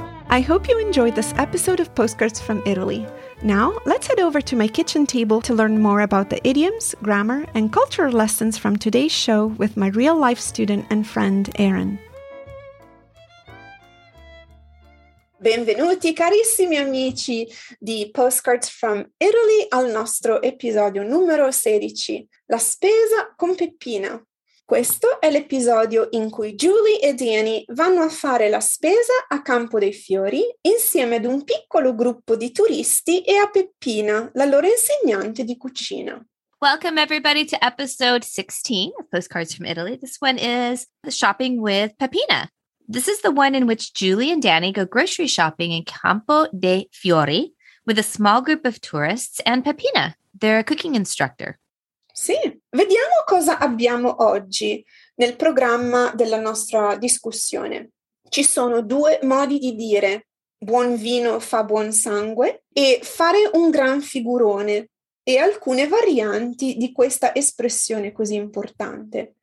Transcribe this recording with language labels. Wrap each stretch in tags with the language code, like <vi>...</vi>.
<en>I hope you enjoyed this episode of Postcards from Italy. Now, let's head over to my kitchen table to learn more about the idioms, grammar, and cultural lessons from today's show with my real-life student and friend, Erin.</en> <it>Benvenuti carissimi amici di Postcards from Italy al nostro episodio numero 16, La spesa con Peppina. Questo è l'episodio in cui Julie e Danny vanno a fare la spesa a Campo dei Fiori insieme ad un piccolo gruppo di turisti e a Peppina, la loro insegnante di cucina.</it> <en>Welcome everybody to episode 16 of Postcards from Italy. This one is Shopping with Peppina. This is the one in which Julie and Danny go grocery shopping in Campo dei Fiori with a small group of tourists and Peppina, their cooking instructor.</en> <it>Sì, vediamo cosa abbiamo oggi nel programma della nostra discussione. Ci sono due modi di dire buon vino fa buon sangue e fare un gran figurone e alcune varianti di questa espressione così importante.</it>